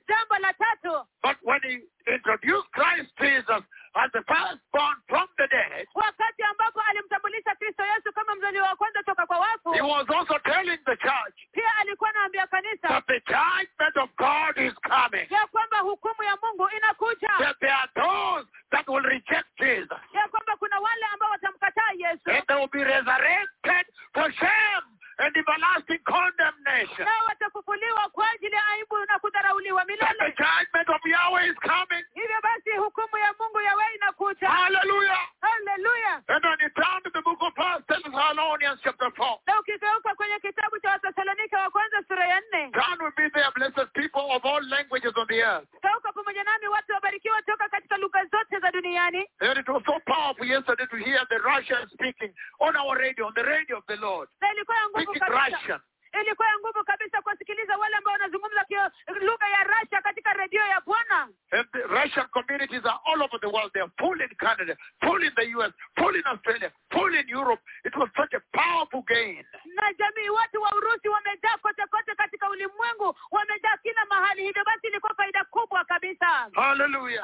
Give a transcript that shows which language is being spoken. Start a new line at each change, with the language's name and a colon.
Swahili: Jambo la tatu.
English: But when he introduced Christ Jesus as the firstborn from the dead,
Swahili: wakati ambapo alimtambulisha Kristo Yesu kama mzaliwa wa kwanza toka kwa wafu,
English: he was also telling the church,
Swahili: pia alikuwa anaambia kanisa,
English: that the judgment of God is coming,
Swahili: ya kwamba hukumu ya Mungu inakuja,
English: that there are those that will reject Jesus,
Swahili: ya kwamba kuna wale ambao watamkataa Yesu,
English: and they will be resurrected for shame and everlasting condemnation.
Swahili: Na watafufuliwa kwa ajili ya aibu na kudharauliwa milele.
English: The judgment of Yahweh is coming.
Swahili: Hivyo basi hukumu ya Mungu Yahweh inakuja. Hallelujah. Hallelujah.
English: And then you turn to the book of 1 Thessalonians chapter 4.
Swahili: Na ukigeuka kwenye kitabu cha Wathesalonike wa kwanza sura ya 4.
English: God will be there, blessed people of all languages on the earth.
Swahili: Geuka pamoja nami, watu wabarikiwa toka katika lugha zote za duniani.
English: And it was so powerful yesterday to hear the Russian speaking on our radio, on the radio of the Lord.
Swahili: Na ilikuwa ya ilikuwa ya nguvu kabisa kusikiliza wale ambao wanazungumza kwa lugha ya Russia katika redio ya Bwana.
English: Russian communities are all over the world. They are full in Canada, full in the US, full in Australia, full in Europe. It was such a powerful gain.
Swahili: Na jamii, watu wa Urusi wamejaa kote kote katika ulimwengu, wamejaa kila mahali. Hivyo basi ilikuwa faida kubwa kabisa. Hallelujah.